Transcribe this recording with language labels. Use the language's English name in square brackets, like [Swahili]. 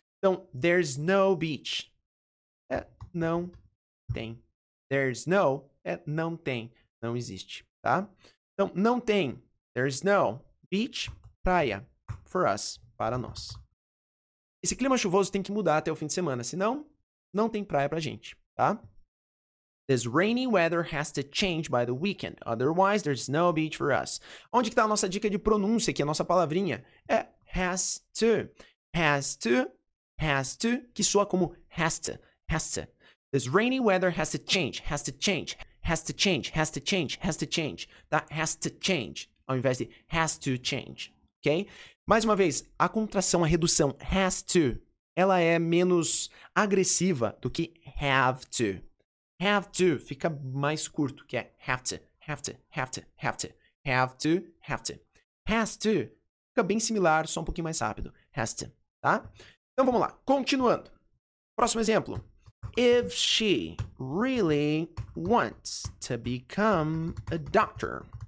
[Portuguese] Então, [English] there's no beach. [Portuguese] É não tem. [English] There's no [Portuguese] é não tem, não existe, tá? Então, não tem. [English] There's no beach, [Portuguese] praia, [English] for us, [Portuguese] para nós. Esse clima chuvoso tem que mudar até o fim de semana, senão não tem praia pra gente, tá? [English] This rainy weather has to change by the weekend. Otherwise, there's no beach for us. [Portuguese] Onde que está a nossa dica de pronúncia aqui, a nossa palavrinha? [English] É has to. Has to. Has to. [Portuguese] Que soa como [English] has to. Has to. This rainy weather has to change. Has to change. Has to change. Has to change. Has to change. That has to change. [Portuguese] Ao invés de [English] has to change. Ok? [Portuguese] Mais uma vez, a contração, a redução has to, ela é menos agressiva do que have to. [English] Have to [Portuguese] fica mais curto, que é [English] have to, have to, have to, have to, have to, have to. [Portuguese] Has to fica bem similar, só um pouquinho mais rápido. Has to, tá? Então vamos lá, continuando. Próximo exemplo. [English] If she really wants to become a doctor.